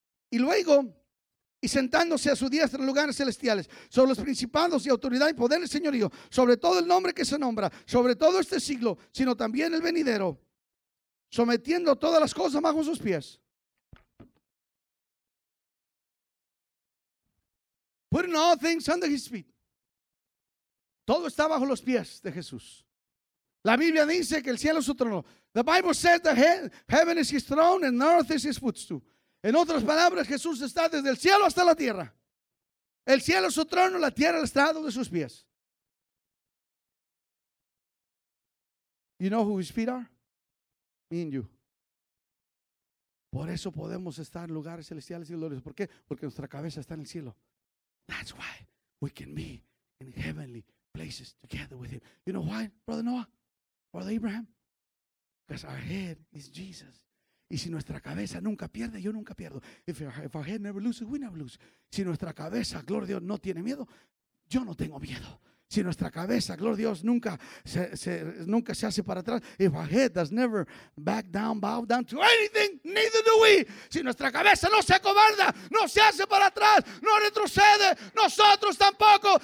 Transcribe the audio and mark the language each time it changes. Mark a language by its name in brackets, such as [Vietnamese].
[Spanish] Y luego, y sentándose a su diestra en lugares celestiales, sobre los principados y autoridad y poder del Señorío, sobre todo el nombre que se nombra, sobre todo este siglo, sino también el venidero, sometiendo todas las cosas bajo sus pies. [English] Putting all things under his feet. [Spanish] Todo está bajo los pies de Jesús. La Biblia dice que el cielo es su trono. [English] The Bible says that heaven is his throne and earth is his footstool. [Spanish] En otras palabras, Jesús está desde el cielo hasta la tierra. El cielo es su trono, la tierra el estrado de sus pies. [English] You know who his feet are? Me and you. [Spanish] Por eso podemos estar en lugares celestiales y gloriosos. ¿Por qué? Porque nuestra cabeza está en el cielo. [English] That's why we can be in heavenly places together with him. You know why, Brother Noah? Brother Abraham? Because our head is Jesus. [Spanish] Y si nuestra cabeza nunca pierde, yo nunca pierdo. [English] If our head never loses, we never lose. [Spanish] Si nuestra cabeza, gloria a Dios, no tiene miedo, yo no tengo miedo. Si nuestra cabeza, gloria a Dios, nunca se hace para atrás. [English] If our head does never back down, bow down to anything, neither do we. [Spanish] Si nuestra cabeza no se acobarda, no se hace para atrás, no retrocede, nosotros tampoco.